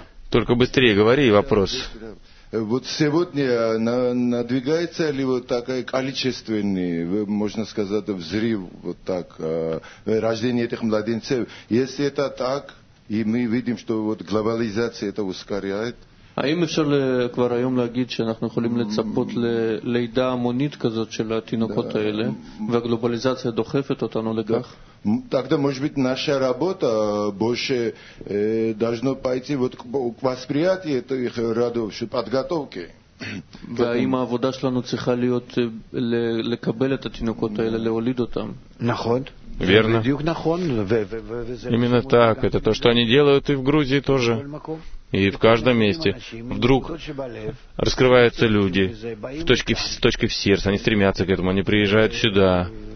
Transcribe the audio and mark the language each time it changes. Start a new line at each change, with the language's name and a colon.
Russian: Только быстрее говори, вопрос. Вот сегодня надвигается ли вот такой количественный, можно сказать, взрыв, вот так, рождение этих младенцев? Если это так, и мы видим, что вот глобализация это ускоряет,
Hebrew: האם אפשר כבר היום להגיד שאנחנו יכולים לצפות ללידה המונית כזאת של התינוקות האלה והגלובליזציה דוחפת אותנו לכך?
Russian: Тогда, может быть, наша работа больше должно пойти вот к восприятию этих родов, к подготовке.
Hebrew: והאם העבודה שלנו צריכה להיות לקבל את התינוקות האלה, להוליד אותם? נכון.
Russian: Верно. Именно так. Это то, что они делают и в Грузии тоже. И в каждом месте. Вдруг раскрываются люди в точке в сердце. Они стремятся к этому. Они приезжают сюда.